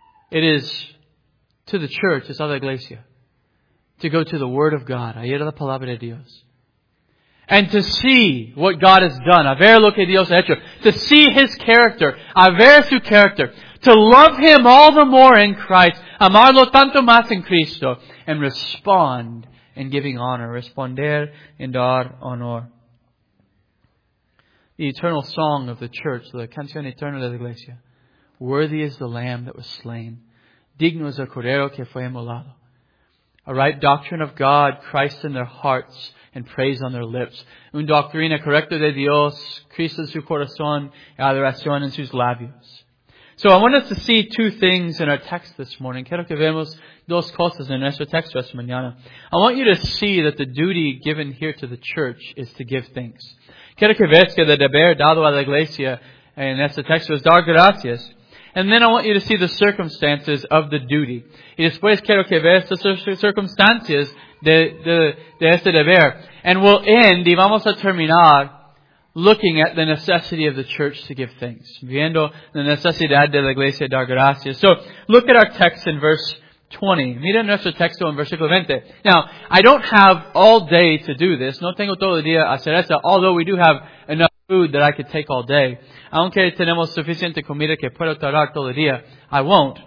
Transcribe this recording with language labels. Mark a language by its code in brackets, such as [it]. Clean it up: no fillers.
[en] It is to the church, it's [es] a la iglesia, [en] to go to the Word of God, [es] a ir a la palabra de Dios, [en] and to see what God has done, [es] a ver lo que Dios ha hecho, [en] to see His character, [es] a ver su character, [en] to love Him all the more in Christ, [es] amarlo tanto más en Cristo, [en] and respond in giving honor, [es] responder en dar honor. [en] The eternal song of the church, the [es] canción eterna de la iglesia, [en] worthy is the Lamb that was slain, [es] digno es el Cordero que fue inmolado. [en] A right doctrine of God, Christ in their hearts, and praise on their lips. [es] Un doctrina correcta de Dios, Cristo en su corazón, y adoración en sus labios. [en] So I want us to see two things in our text this morning. [es] Quiero que veamos dos cosas en nuestro texto esta mañana. [en] I want you to see that the duty given here to the church is to give thanks. [es] Quiero que veas que el deber dado a la iglesia en este texto es dar gracias. [en] And then I want you to see the circumstances of the duty. [es] Y después quiero que veas las circunstancias de este deber. [en] And we'll end, [es] y vamos a terminar, [en] looking at the necessity of the church to give thanks. [es] Viendo la necesidad de la iglesia dar gracias. [en] So, look at our text in verse 20. [es] Mira nuestro texto en versículo 20. [en] Now, I don't have all day to do this. [es] No tengo todo el día a hacer esto. [en] Although we do have enough food that I could take all day. [es] Aunque tenemos suficiente comida que puedo tragar todo el día, [en] I won't.